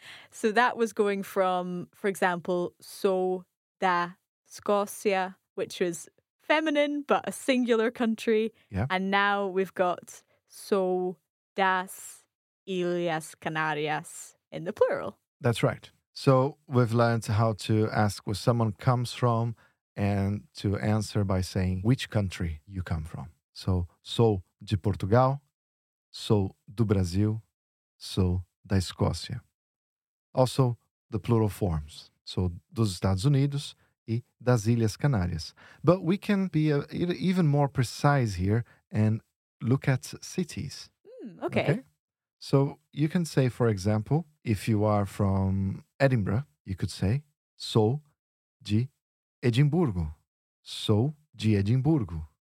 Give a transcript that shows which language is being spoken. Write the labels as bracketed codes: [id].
[en] So that was going from, for example, [pt] sou da Escócia, [en] which was feminine but a singular country. Yeah. And now we've got [pt] sou das Ilhas Canárias [en] in the plural. That's right. So we've learned how to ask where someone comes from and to answer by saying which country you come from. [pt] So sou de Portugal, sou do Brasil, sou da Escócia. [en] Also, the plural forms. So, [pt] dos Estados Unidos e das Ilhas Canárias. [en] But we can be even more precise here and look at cities. Okay. So, you can say, for example, if you are from Edinburgh, you could say, [pt] sou de Edimburgo. Sou de Edimburgo.